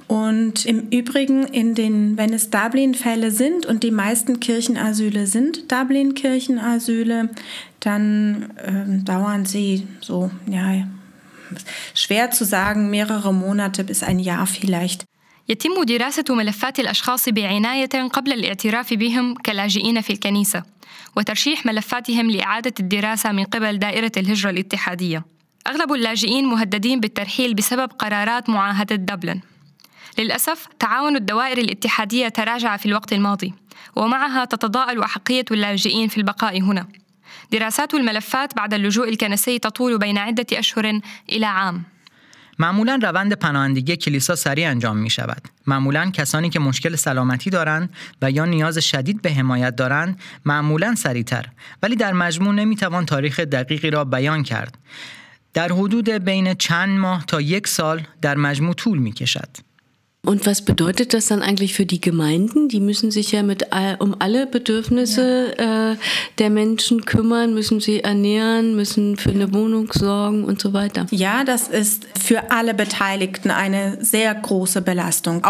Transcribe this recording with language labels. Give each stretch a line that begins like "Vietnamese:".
German: Und im Übrigen, wenn es Dublin-Fälle sind und die meisten Kirchenasyle sind Dublin-Kirchenasyle, dann dauern sie so, ja, schwer zu sagen, mehrere Monate bis ein Jahr vielleicht.
Arabic: يتم دراسة ملفات الأشخاص بعناية قبل الاعتراف بهم كلاجئين في الكنيسة وترشيح ملفاتهم لإعادة الدراسة من قبل دائرة الهجرة الاتحادية. أغلب اللاجئين مهددين بالترحيل بسبب قرارات معاهدة دبلن. للأسف تعاون الدوائر الاتحادية تراجع في الوقت الماضي، ومعها تتضاءل أحقية اللاجئين في البقاء هنا. دراسات الملفات بعد اللجوء الكنسي تطول بين عدة أشهر إلى عام.
Persian: معمولاً روند پناهندگی کلیسا سریع انجام می شود. معمولاً کسانی که مشکل سلامتی دارند و یا نیاز شدید به حمایت دارند، معمولاً سریع تر. ولی در مجموع نمی توان تاریخ دقیقی را بیان کرد. در حدود بین چند ماه تا یک سال در مجموع طول می کشد.
German: Und was bedeutet das dann eigentlich für die Gemeinden? Die müssen sich ja um alle Bedürfnisse der Menschen kümmern, müssen sie ernähren, müssen für eine Wohnung sorgen und so weiter. Ja, das ist für alle Beteiligten eine sehr große Belastung.